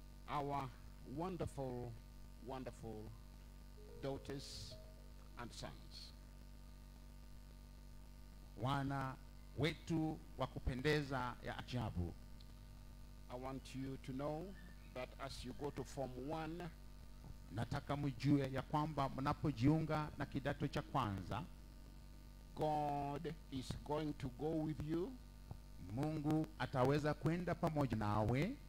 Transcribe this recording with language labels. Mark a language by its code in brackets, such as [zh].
[en] Our wonderful, wonderful daughters and sons. [sw] Wana wetu wa kupendeza ya ajabu. [en] I want you to know that as you go to Form 1, [sw] nataka mjue ya kwamba mnapojiunga na kidato cha kwanza, [en] God is going to go with you. [sw] Mungu ataweza kwenda pamoja nawe.